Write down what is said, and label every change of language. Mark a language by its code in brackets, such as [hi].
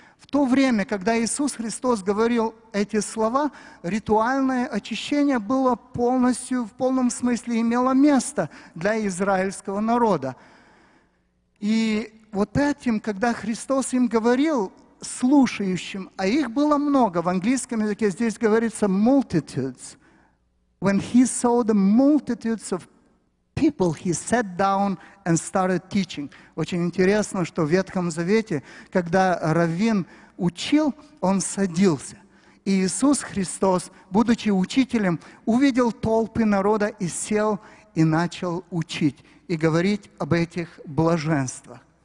[ru] В то время, когда Иисус Христос говорил эти слова, ритуальное очищение было полностью, в полном смысле имело место для израильского народа. И вот этим, когда Христос им говорил, слушающим, а их было много, в английском языке здесь говорится «multitudes». [en] When he saw the multitudes of people, he sat down and started teaching. [ru] Очень интересно, что в Ветхом Завете, когда раввин учил, он садился. И Иисус Христос, будучи учителем, увидел толпы народа и сел и начал учить и говорить об этих блаженствах.